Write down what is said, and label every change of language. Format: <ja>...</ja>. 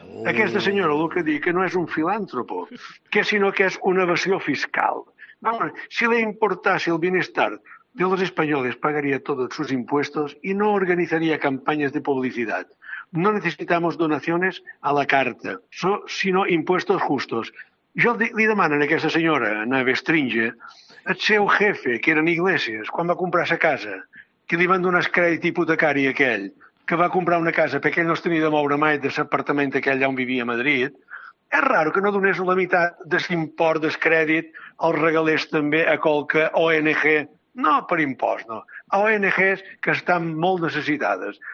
<ca>Aquesta senyora, el que dic, que no és un filàntropo, sinó que és una evasió fiscal.</ca> <es>Si le importase el bienestar de los españoles, pagaría todos sus impuestos y no organizaría campañas de publicidad. No necesitamos donaciones a la carta, sino impuestos justos.</es> <ca>Jo li demano a aquesta senyora, a Bestringe, el seu jefe, que era en Iglesias, quan va comprar sa casa, que li van donar el crèdit hipotecari a aquell, que va comprar una casa perquè ell no es tenia de moure mai de l'apartament aquell on vivia a Madrid, és raro que no donés la meitat de l'import del crèdit el regalés també a qualque ONG, no per impost, no, a ONGs que estan molt necessitades.</ca>